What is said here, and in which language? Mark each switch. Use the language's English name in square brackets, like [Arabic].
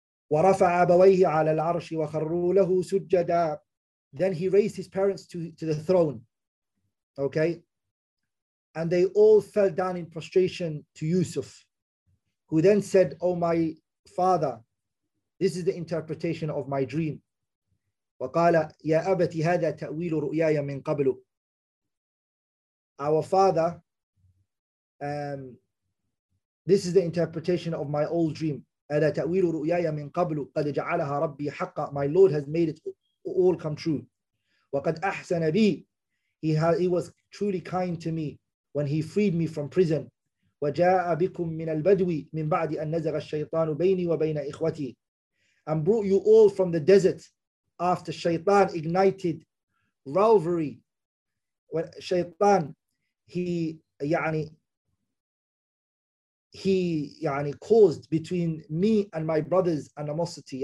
[Arabic] ورفع أبويه على العرش وخروا له سجدا. [English] Then he raised his parents to the throne. Okay. And they all fell down in prostration to Yusuf, who then said, oh my father, this is the interpretation of my dream. [Arabic] وقال يا أبتي هذا تأويل رؤياي من قبل. [English] Our father, this is the interpretation of my old dream. [Arabic] هذا تأويل رؤياي من قبل قد جعلها ربي حقا. [English] My Lord has made it all come true. [Arabic] وقد أحسن بي. [English] He was truly kind to me when he freed me from prison. [Arabic] وجاء بكم من البدوي من بعد أن نزغ الشيطان بيني وبين إخوتي. [English] And brought you all from the desert after Shaytan ignited rivalry. When Shaytan, he caused between me and my brothers animosity.